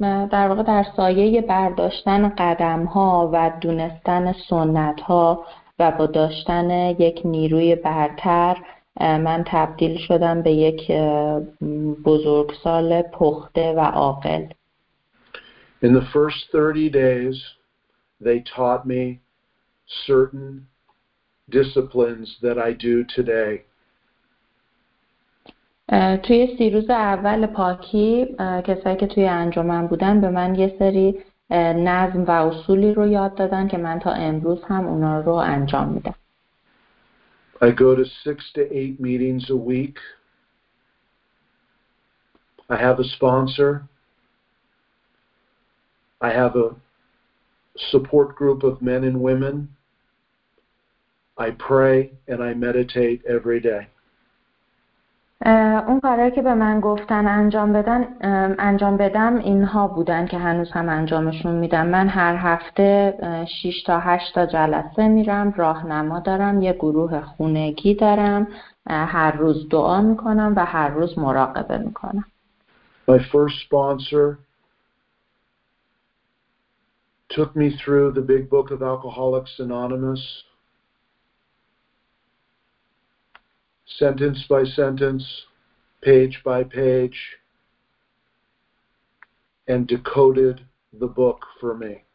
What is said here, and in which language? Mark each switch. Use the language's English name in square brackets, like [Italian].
[Persian] در واقع در سایه برداشتن قدم ها و دونستن سنت ها و با داشتن یک نیروی برتر من تبدیل شدم به یک بزرگسال پخته و عاقل. [English] In the first 30 days they taught me certain disciplines that I do today. [Persian] توی 30 روز اول پاکی کسایی که توی انجمن بودن به من یه سری نظم و اصولی رو یاد دادن که من تا امروز هم اونا رو انجام میدم. [English] I go to 6 to 8 meetings a week. I have a sponsor. I have a support group of men and women. I pray and I meditate every day. [Persian] اون کارهایی که به من گفتن انجام بدم اینها بودن که هنوز هم انجامشون میدم. من هر هفته 6 تا 8 تا جلسه میرم، راهنما دارم، یه گروه خونگی دارم، هر روز دعا میکنم و هر روز مراقبه میکنم. [English] My first sponsor took me through the big book of Alcoholics Anonymous. Sentence by sentence, page by page, and decoded the book for me.